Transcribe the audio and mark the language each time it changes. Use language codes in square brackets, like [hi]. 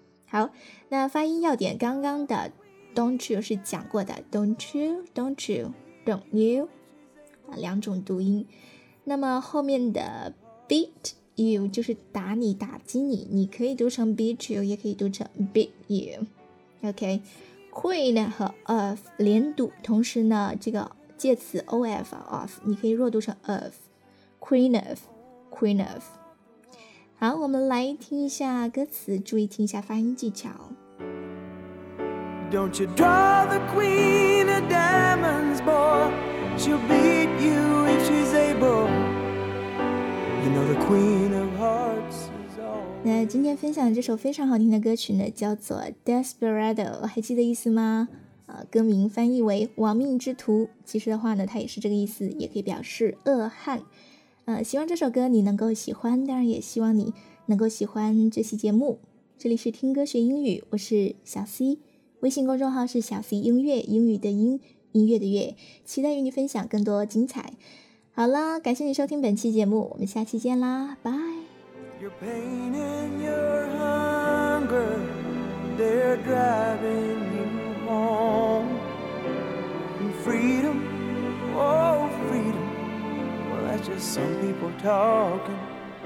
[zh] 好，那发音要点，刚刚的 don't you 是讲过的， don't you don't you don't you、啊、两种读音。那么后面的 beat you 就是打你打击你，你可以读成 beat you 也可以读成 beat you。 OK， queen 和 of 连读，同时呢这个介词 of of 你可以弱读成 of， queen of queen of。好，我们来听一下歌词，注意听一下发音技巧。 [en] Don't you draw the queen of diamonds, boy, she'll beat you if she's able, you know the queen of hearts is all。 [zh] 那今天分享这首非常好听的歌曲呢，叫做 Desperado， 还记得意思吗？歌名翻译为亡命之徒，其实的话呢它也是这个意思，也可以表示恶汉。希望这首歌你能够喜欢，当然也希望你能够喜欢这期节目。这里是听歌学英语，我是小 C， 微信公众号是小 C 音乐，英语的音，音乐的乐，期待与你分享更多精彩。好了，感谢你收听本期节目，我们下期见啦，拜。 [en] Your pain and your hunger, they're driving you home. And freedom, oh freedom, well that's just some people talking.